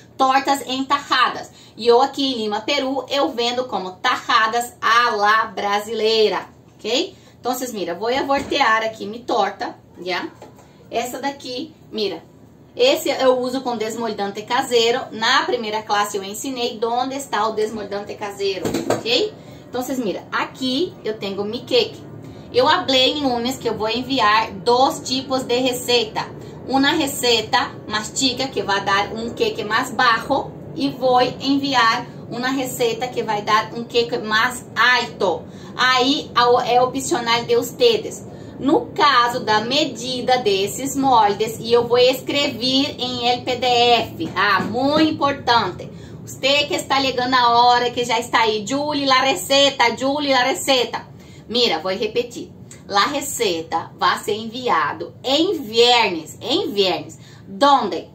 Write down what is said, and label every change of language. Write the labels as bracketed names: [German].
[Portuguese] Tortas em tajadas. E eu aqui em Lima, Peru, eu vendo como tajadas à la brasileira, ok? Então, mira, vou voltear aqui minha torta, já? Essa daqui, mira, esse eu uso com desmoldante caseiro. Na primeira classe eu ensinei onde está o desmoldante caseiro, ok? [Spanish] Entonces, mira, aquí yo tengo mi cake. Yo hablé en lunes que yo voy a enviar dos tipos de receta. Una receta más chica que va a dar un cake más bajo y voy a enviar una receta que va a dar un cake más alto. Ahí es opcional de ustedes. [Portuguese] No caso da medida desses moldes, e eu vou escrever em PDF. Ah, muito importante. Você que está ligando a hora, que já está aí. [Spanish] Julie, la receta, Julie, la receta. Mira, [Portuguese] vou repetir. [Spanish] La receta [Portuguese] vai ser enviado em viernes. Em viernes. Donde?